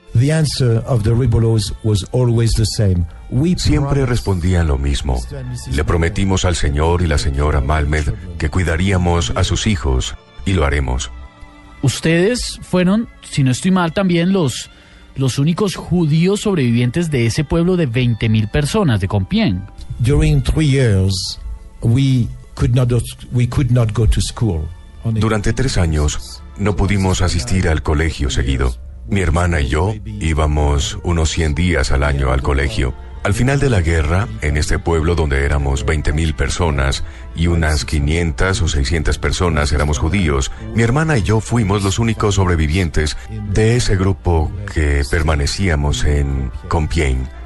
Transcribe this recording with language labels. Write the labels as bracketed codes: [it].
[en] The answer of the Rebolos was always the same. [es] Siempre respondían lo mismo. Le prometimos al señor y la señora Malmed que cuidaríamos a sus hijos, y lo haremos. Ustedes fueron, si no estoy mal, también los los únicos judíos sobrevivientes de ese pueblo de 20.000 personas de Compiègne. [en] During 3 years, we could not go to school. [es] Durante 3 años, no pudimos asistir al colegio seguido. Mi hermana y yo íbamos unos 100 días al año al colegio. Al final de la guerra, en este pueblo donde éramos 20.000 personas y unas 500 o 600 personas éramos judíos, mi hermana y yo fuimos los únicos sobrevivientes de ese grupo que permanecíamos en Compiègne.